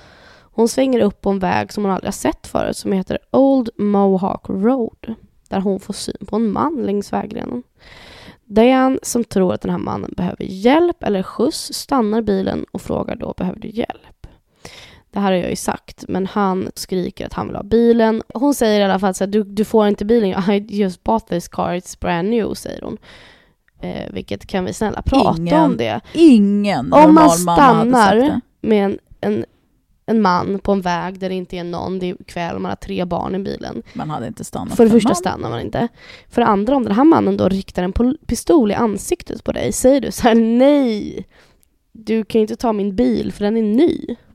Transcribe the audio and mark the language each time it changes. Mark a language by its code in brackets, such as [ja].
[sv] Hon svänger upp på en väg som hon aldrig har sett förut som heter Old Mohawk Road, där hon får syn på en man längs vägrenen. Diane, som tror att den här mannen behöver hjälp eller skjuts, stannar bilen och frågar då: "Behöver du hjälp?" Det här har jag ju sagt, men han skriker att han vill ha bilen. Hon säger i alla fall att du får inte bilen. [en] "I just bought this car, it's brand new," [sv] säger hon. Vilket, kan vi snälla prata ingen, om det? Ingen normal man hade sagt det. Om man stannar med en man på en väg där det inte är någon, det är kväll, man har 3 barn i bilen. Man hade inte stannat. För det första stannar man inte. För det andra, om den här mannen då riktar en pistol i ansiktet på dig, säger du så här: "Nej, du kan ju inte ta min bil för den är ny."